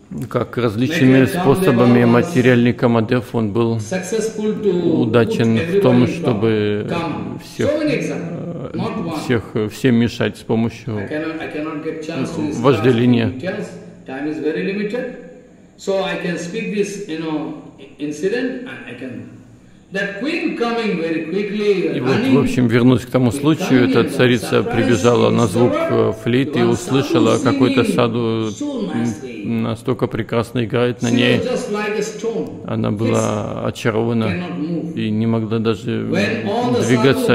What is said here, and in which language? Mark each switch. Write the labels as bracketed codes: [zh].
[ru] Как различными способами материальный Камадев, он был удачен в том, чтобы всем мешать с помощью вожделения. [en] Time is very limited, so I can speak this, incident, and I can. That queen coming very quickly. [ru] И вот, в общем, вернусь к тому случаю, эта царица прибежала на звук флейты и услышала, какой-то саду настолько прекрасно играет на ней. Она была очарована и не могла даже двигаться.